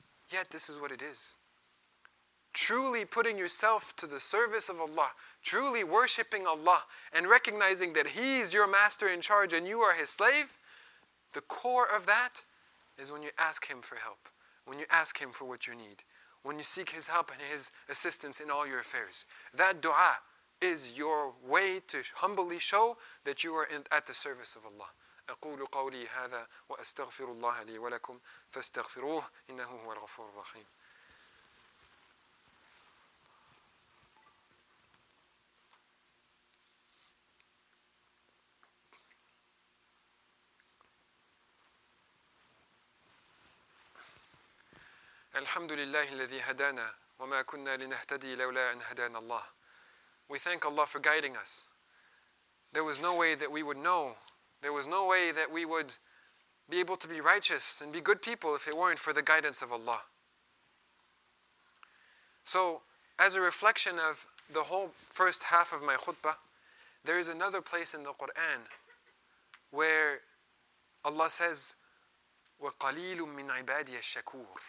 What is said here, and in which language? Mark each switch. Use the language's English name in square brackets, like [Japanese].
[English] Yet this is what it is. Truly putting yourself to the service of Allah, truly worshipping Allah and recognizing that He is your master in charge and you are His slave, the core of that is when you ask Him for help, when you ask Him for what you need, when you seek His help and His assistance in all your affairs. That dua is your way to humbly show that you are at the service of Allah. [Arabic] أقول قولي هذا وأستغفر الله لي ولكم فاستغفروه إنه هو الغفور الرحيم. الحمد لله الذي هدانا وما كنا لنهتدي لولا أن هدانا الله. [English] We thank Allah for guiding us. There was no way that we would know. There was no way that we would be able to be righteous and be good people if it weren't for the guidance of Allah. So, as a reflection of the whole first half of my khutbah, there is another place in the Qur'an where Allah says, [Arabic] وَقَلِيلٌ مِّنْ عِبَادِيَ الشَّكُورِ.